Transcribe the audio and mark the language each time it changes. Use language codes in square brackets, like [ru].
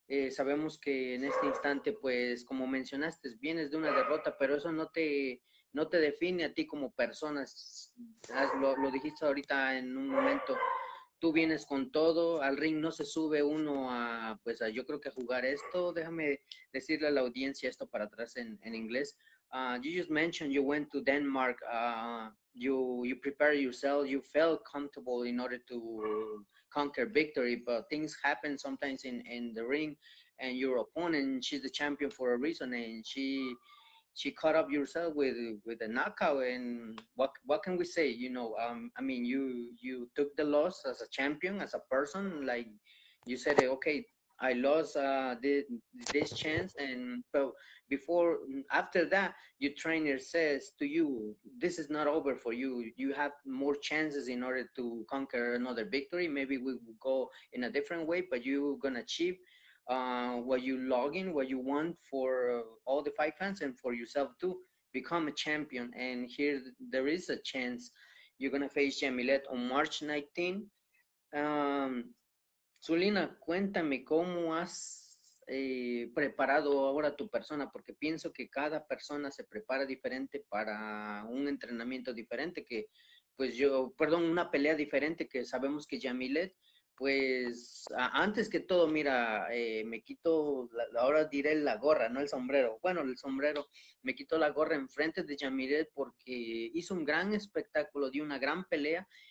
[es] Sabemos que en este instante, pues como mencionaste, vienes de una derrota, pero eso no te define a ti como persona. Lo dijiste ahorita en un momento, tú vienes con todo, al ring no se sube uno yo creo que a jugar esto. Déjame decirle a la audiencia esto para atrás en inglés. [en] You just mentioned you went to Denmark. You prepared yourself. You felt comfortable in order to conquer victory. But things happen sometimes in the ring, and your opponent, she's the champion for a reason, and she caught up yourself with a knockout. And what can we say? I mean, you took the loss as a champion, as a person. Like you said, okay, I lost this chance. And but before, after that, your trainer says to you, this is not over for you. You have more chances in order to conquer another victory. Maybe we will go in a different way, but you're gonna achieve what you log in, what you want for all the fight fans and for yourself to become a champion. And here there is a chance you're gonna face Jamilet on March 19. [es] Zulina, cuéntame cómo has preparado ahora a tu persona, porque pienso que cada persona se prepara diferente para un entrenamiento diferente, que pues yo, perdón, una pelea diferente, que sabemos que Jamilet, pues antes que todo, mira, me quito, ahora diré la gorra, no el sombrero, bueno, el sombrero, me quito la gorra enfrente de Jamilet porque hizo un gran espectáculo, dio una gran pelea.